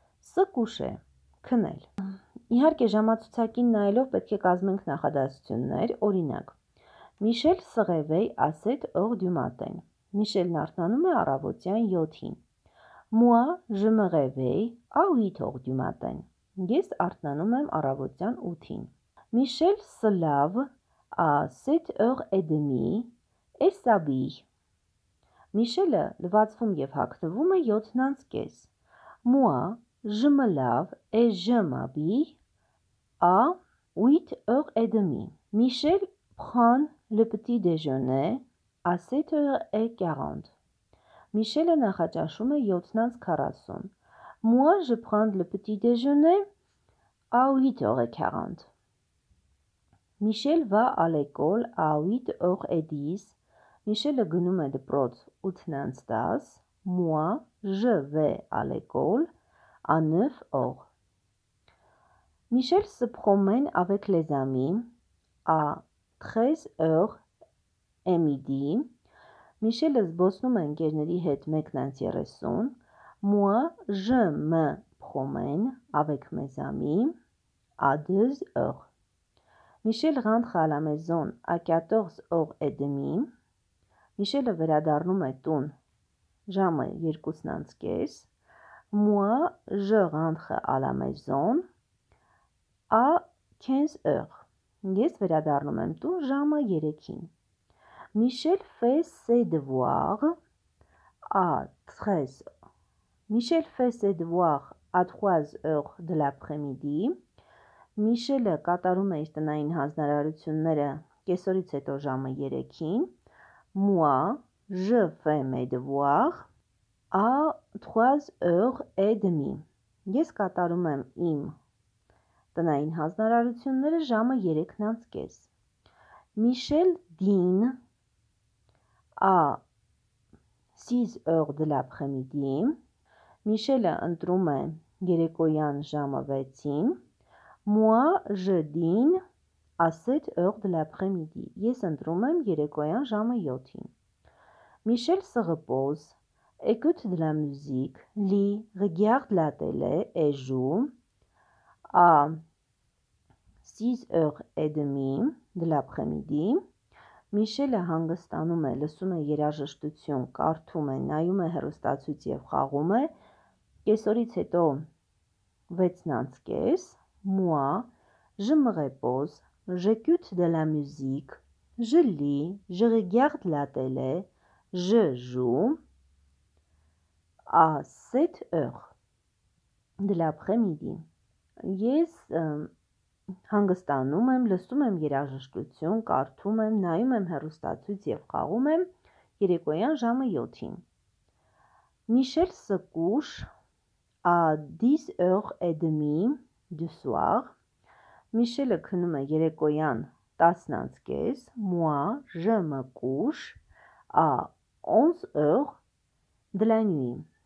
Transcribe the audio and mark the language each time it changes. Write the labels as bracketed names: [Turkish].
[Armenian] Սկուշե, քնել։ Իհարկե ժամացուցակին նայելով պետք է կազմենք նախադասություններ, օրինակ. [French] Միշել Սղևեյ ասետ օր դյու մատեն։ [Armenian] Միշելն արթնանում է առավոտյան 7-ին։ [French] Moi, je me réveille à 8h du matin. [Armenian] Ես արթնանում եմ առավոտյան 8-ին. [French] Michel se lave à 7h30 et s'habille. [Armenian] Michel լվացվում եւ հագնվում է 7:30-ից. [French] Moi, je me lave et je m'habille à 8h30. Michel prend le petit déjeuner à 7h40. [Armenian] Michel նախաճաշում է 7:40. [French] Moi, je prends le petit déjeuner à 8h40. Michel va à l'école à 8h10. [Armenian] Michel գնում է դպրոց 8:10. [French] Moi, je vais à l'école à 9h. Michel se promène avec les amis à 13h30. [Armenian] Michel զբոսնում է ընկերների հետ 1:30. [French] Moi, je me promène avec mes amis à 2h. Michel rentre à la maison à 14h30. [Armenian] Michel վերադառնում է տուն ժամը 2:30. [French] Moi, je rentre à la maison à 15h. [Armenian] Ես վերադառնում եմ տուն ժամը 3-ին. [French] Michel fait ses devoirs à 13h. Michel fait ses devoirs à 3h de l'après-midi. [Armenian] Michel-ը կատարում է իր տնային հանձնարարությունները կեսօրից հետո ժամը 3-ին. [French] Moi, je fais mes devoirs à 3h30. [Armenian] Ես կատարում եմ իմ տնային հանձնարարությունները ժամը 3:30. [French] Michel dîne à 6h de l'après-midi. [Armenian] Michel-ը ընտրում է երեկոյան ժամը 6-ին. [French] Moi, je dîne à 7h de l'après-midi. [Armenian] Ես ընտրում եմ երեկոյան ժամը 7-ին. [French] Michel se repose, écoute de la musique, lit, regarde la télé et joue à 6h30 de l'après-midi. [Armenian] Michel-ը հանգստանում է, լսում է երաժշտություն, կարդում է, նայում է հեռուստացույց եւ խաղում է կեսօրից հետո 6:30. [French] Moi, je me repose, j'écoute de la musique, je lis, je regarde la télé, je joue à 7h de l'après-midi. [Armenian] Ես հանգստանում եմ, լսում եմ երաժշտություն, կարդում եմ, նայում եմ հեռուստացույց եւ խաղում եմ երեկոյան ժամը 7-ին. [French] Michel se couche à 10h30 du soir. [Armenian] Michel-ը քնում է երեկոյան 10:30. [French] Moi, je me couche à 11h de la nuit.